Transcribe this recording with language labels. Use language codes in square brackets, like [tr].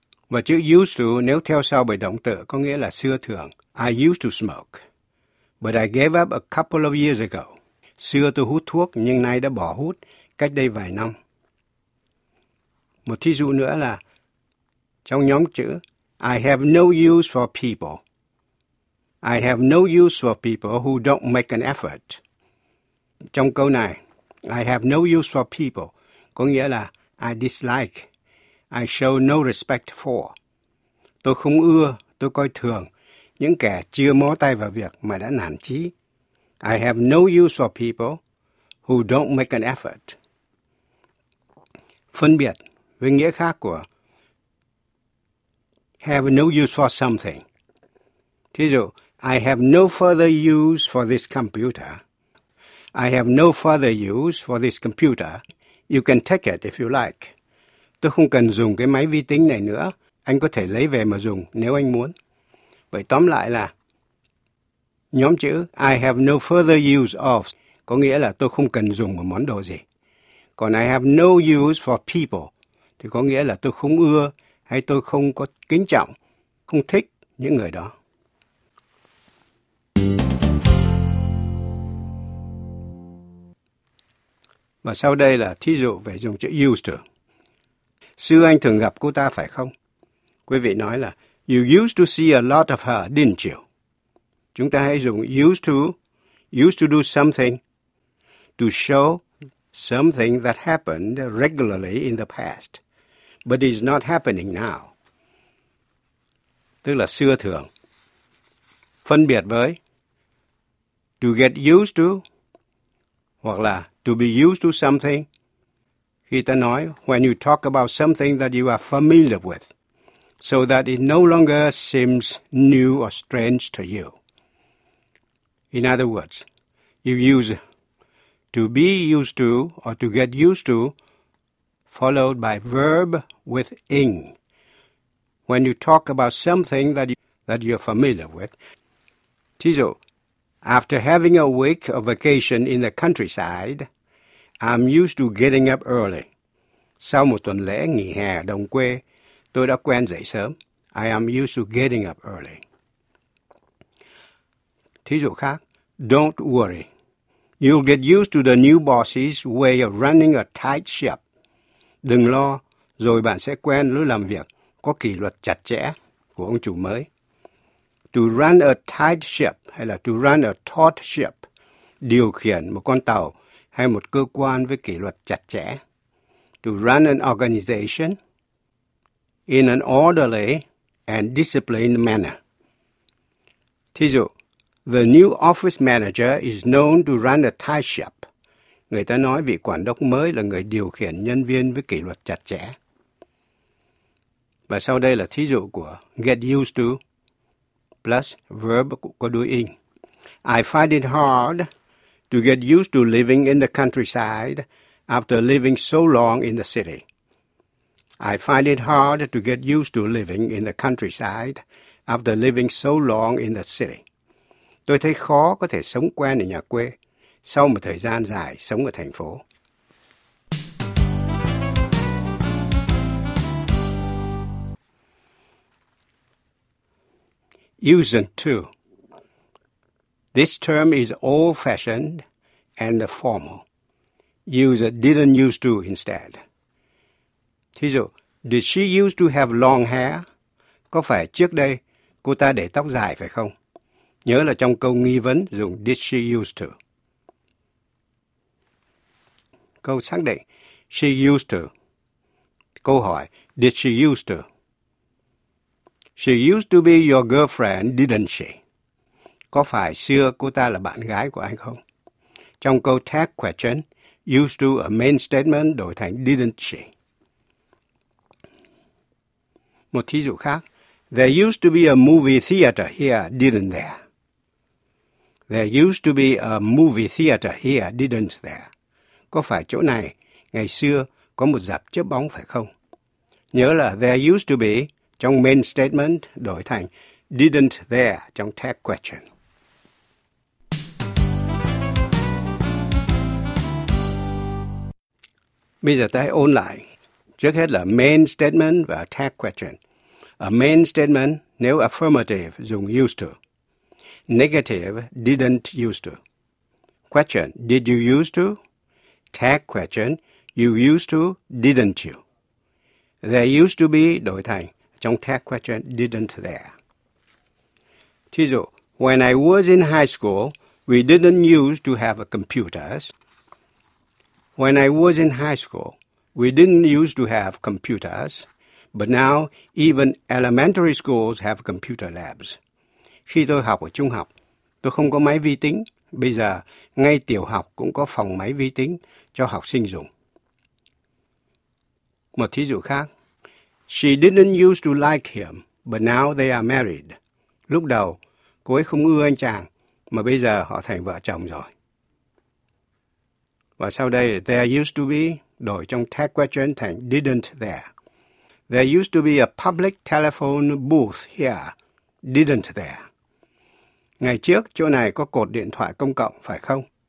[vi] Và chữ used to, nếu theo sau bởi động từ, có nghĩa là xưa thường. [en] I used to smoke, but I gave up a couple of years ago. [vi] Xưa tôi hút thuốc, nhưng nay đã bỏ hút, cách đây vài năm. Một thí dụ nữa là, trong nhóm chữ, [en] I have no use for people. I have no use for people who don't make an effort. [vi] Trong câu này, [en] I have no use for people, [vi] có nghĩa là [en] I dislike. I show no respect for. [vi] Tôi không ưa, tôi coi thường những kẻ chưa mó tay vào việc mà đã nản chí. [en] I have no use for people who don't make an effort. [vi] Phân biệt với nghĩa khác của [en] have no use for something. [vi] Thí dụ, [en] I have no further use for this computer. I have no further use for this computer. You can take it if you like. [vi] Tôi không cần dùng cái máy vi tính này nữa. Anh có thể lấy về mà dùng nếu anh muốn. Vậy tóm lại là nhóm chữ [en] I have no further use of [vi] có nghĩa là tôi không cần dùng một món đồ gì. Còn [en] I have no use for people [vi] thì có nghĩa là tôi không ưa hay tôi không có kính trọng, không thích những người đó. Và sau đây là thí dụ về dùng chữ used to. Xưa anh thường gặp cô ta phải không? Quý vị nói là [en] you used to see a lot of her, didn't you? [vi] Chúng ta hãy dùng [en] used to do something, to show something that happened regularly in the past, but is not happening now. [vi] Tức là xưa thường. Phân biệt với [en] to get used to [vi] hoặc là [en] to be used to something. [vi] Khi ta nói, [en] when you talk about something that you are familiar with, so that it no longer seems new or strange to you. In other words, you use to be used to or to get used to, followed by verb with ing. When you talk about something that you are familiar with. [vi] Thí dụ, [en] after having a week of vacation in the countryside, I'm used to getting up early. [vi] Sau một tuần lễ nghỉ hè ở đồng quê, tôi đã quen dậy sớm. [en] I am used to getting up early. [vi] Thí dụ khác, [en] don't worry. You'll get used to the new boss's way of running a tight ship. [vi] Đừng lo, rồi bạn sẽ quen lối làm việc có kỷ luật chặt chẽ của ông chủ mới. [en] To run a tight ship [vi] hay là [en] to run a taut ship, [vi] điều khiển một con tàu hay một cơ quan với kỷ luật chặt chẽ. [en] To run an organization in an orderly and disciplined manner. [vi] Thí dụ, [en] the new office manager is known to run a tight ship. [vi] Người ta nói vị quản đốc mới là người điều khiển nhân viên với kỷ luật chặt chẽ. Và sau đây là thí dụ của get used to plus verb có đuôi in. [en] I find it hard to get used to living in the countryside after living so long in the city. I find it hard to get used to living in the countryside after living so long in the city. [vi] Tôi thấy khó có thể sống quen ở nhà quê sau một thời gian dài sống ở thành phố. [en] Using to. This term is old-fashioned and formal. Use a didn't used to instead. [vi] Thí dụ, [en] did she used to have long hair? [vi] Có phải trước đây cô ta để tóc dài phải không? Nhớ là trong câu nghi vấn dùng [en] did she used to. [vi] Câu xác định, [en] she used to. [vi] Câu hỏi, [en] did she used to? She used to be your girlfriend, didn't she? [vi] Có phải xưa cô ta là bạn gái của anh không? Trong câu tag question, [en] used to a main statement [vi] đổi thành [en] didn't she? [vi] Một thí dụ khác, [en] there used to be a movie theater here, didn't there? There used to be a movie theater here, didn't there? [vi] Có phải chỗ này, ngày xưa, có một rạp chiếu bóng phải không? Nhớ là [en] there used to be, [vi] trong main statement, đổi thành [en] didn't there, [vi] trong tag question. Bây giờ ta hãy ôn lại. Trước hết là main statement và tag question. [en] A main statement, nếu affirmative, dùng used to. Negative, didn't used to. Question, did you used to? Tag question, you used to, didn't you? There used to be, [vi] đổi thành, trong [en] tag question, didn't there. [vi] Thí dụ, [en] when I was in high school, we didn't used to have computers. When I was in high school, we didn't used to have computers, but now even elementary schools have computer labs. [vi] Khi tôi học ở trung học, tôi không có máy vi tính. Bây giờ, ngay tiểu học cũng có phòng máy vi tính cho học sinh dùng. Một thí dụ khác. [en] She didn't used to like him, but now they are married. [vi] Lúc đầu, cô ấy không ưa anh chàng, mà bây giờ họ thành vợ chồng rồi. Và sau đây, [en] there used to be, [vi] đổi trong tag question thành [en] didn't there. There used to be a public telephone booth here, didn't there. [vi] Ngày trước, chỗ này có cột điện thoại công cộng, phải không?